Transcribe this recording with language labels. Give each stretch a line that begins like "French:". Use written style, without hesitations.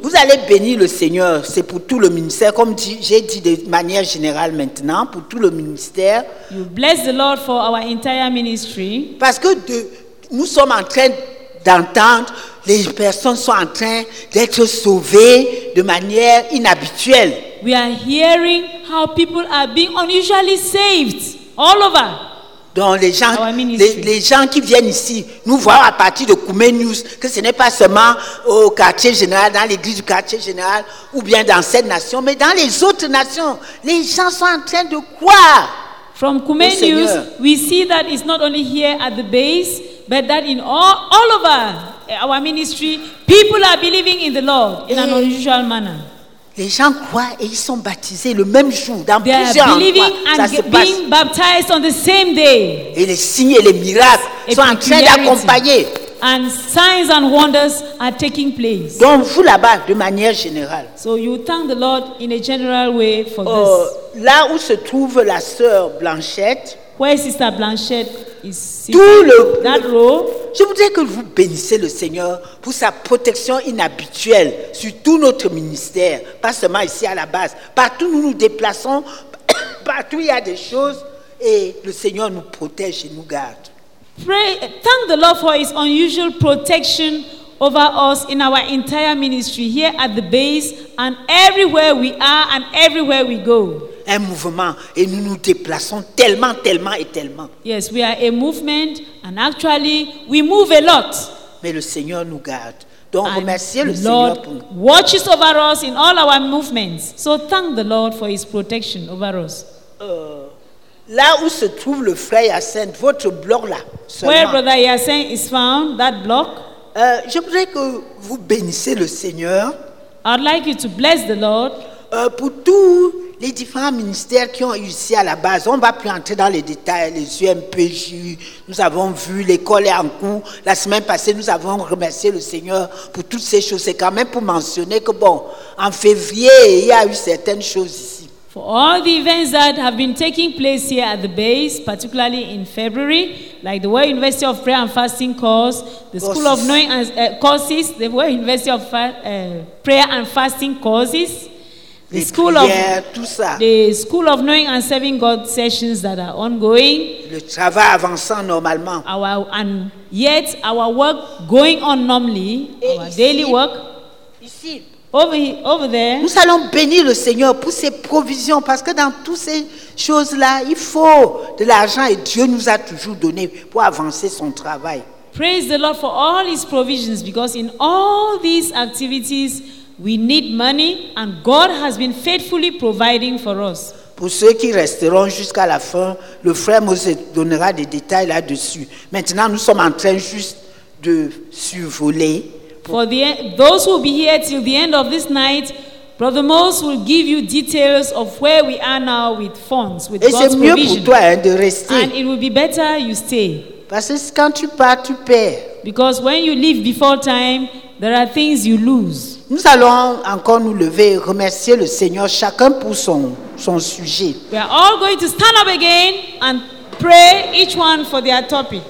French: vous allez bénir le Seigneur, c'est pour tout le ministère, comme j'ai dit de manière générale maintenant, pour tout le ministère.
English: You bless the Lord for our entire ministry.
French: Parce que nous sommes en train d'entendre, les personnes sont en train d'être sauvées de manière inhabituelle.
English: We are hearing how people are being unusually saved all over.
French: Donc les gens qui viennent ici nous voir à partir de Koumé News, que ce n'est pas seulement au quartier général, dans l'église du quartier général, ou bien dans cette nation, mais dans les autres nations, les gens sont en train de croire.
English: From Koumé News, we see that it's not only here at the base, but that in all over our ministry, people are believing in the Lord in an unusual manner.
French: Les gens croient et ils sont baptisés le même jour, dans
English: they
French: plusieurs endroits.
English: Believing and
French: ça se passe.
English: Being baptized on the same day.
French: Et les signes et les miracles sont en train d'accompagner.
English: And signs and wonders are taking place.
French: Donc vous là-bas, de manière générale.
English: So you thank the Lord in a general way for this.
French: Là où se trouve la sœur Blanchette.
English: Where Sister Blanchette is sitting.
French: Tout le
English: that row.
French: je voudrais que vous bénissiez le Seigneur pour sa protection inhabituelle sur tout notre ministère, pas seulement ici à la base. Partout où nous déplaçons, partout il y a des choses et le Seigneur nous protège et nous garde.
English: Pray, thank the Lord for his unusual protection over us in our entire ministry here at the base and everywhere we are and everywhere we go.
French: Un mouvement et nous nous déplaçons tellement, tellement et tellement.
English: Yes, we are a movement and actually we move a lot.
French: Mais le Seigneur nous garde. Donc
English: and
French: remerciez le
English: Lord
French: Seigneur pour nous.
English: Lord watches over us in all our movements. So thank the Lord for his protection over us.
French: Là où se trouve le frère Hyacinthe, votre bloc là. Seulement.
English: Where brother Hyacinthe is found, that block.
French: Je voudrais que vous bénissiez le Seigneur.
English: I'd like you to bless the Lord.
French: Pour tous les différents ministères qui ont réussi à la base. On ne va plus entrer dans les détails, les UMPJ. Nous avons vu, l'école est en cours. La semaine passée, nous avons remercié le Seigneur pour toutes ces choses. C'est quand même pour mentionner que, bon, en février, il y a eu certaines choses ici.
English: For all the events that have been taking place here at the base, particularly in February, like the World University of Prayer and Fasting course, the School of Knowing and courses, the World University of Prayer and Fasting courses, the School of Knowing and Serving God sessions that are ongoing,
French: le travail avançant normalement,
English: and yet our work going on normally,
French: et
English: our
French: ici,
English: daily work.
French: Ici.
English: Over there.
French: Nous allons bénir le Seigneur pour ses provisions parce que dans toutes ces choses-là, il faut de l'argent et Dieu nous a toujours donné pour avancer son travail.
English: Praise the Lord for all his provisions because in all these activities, we need money and God has been faithfully providing for us.
French: Pour ceux qui resteront jusqu'à la fin, le frère Moïse donnera des détails là-dessus. Maintenant, nous sommes en train juste de survoler.
English: For the, those who will be here till the end of this night, Brother Moses will give you details of where we are now with funds, with
French: et
English: God's
French: c'est mieux
English: provision.
French: Pour toi, hein, de rester.
English: And it will be better you stay.
French: Parce que quand tu pars, tu perds.
English: Because when you leave before time, there are things you lose.
French: Nous allons encore nous lever et remercier le Seigneur chacun pour son sujet.
English: We are all going to stand up again and pray each one for their topic.